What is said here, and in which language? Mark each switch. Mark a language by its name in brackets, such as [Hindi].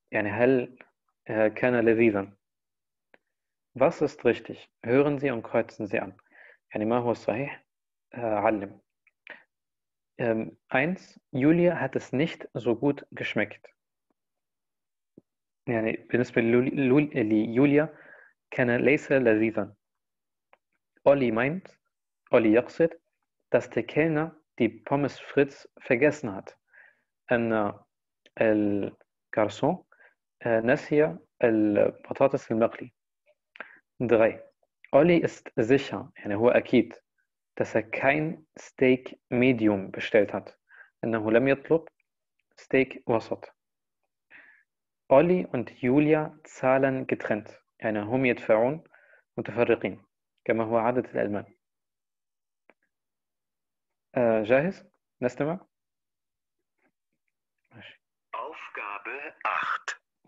[Arabic] يعني هل كان لذيذا؟ [German] Was ist richtig? Hören Sie und kreuzen Sie an. [Arabic] يعني ما هو الصحيح؟ علم. [German] Eins, Julia hat es nicht so gut geschmeckt. [Arabic] يعني بالنسبة لليوليا كان ليس لذيذا. [German] Olli meint, Olli [Arabic] يقصد, [German] dass der Kellner die Pommes Fritz vergessen hat. [Arabic] أن الكارسون نسي البطاطس المقلي. 3. [German] Olli ist sicher, [Arabic] يعني هو أكيد, [German] dass kein Steak Medium bestellt hat. [Arabic] أنه لم يطلب Steak وسط. [German] Olli und Julia zahlen getrennt. [Arabic] يعني هم يدفعون متفرقين. كما هو عادة الألمان. جاهز؟ نستمع؟ [German] Aufgabe 8.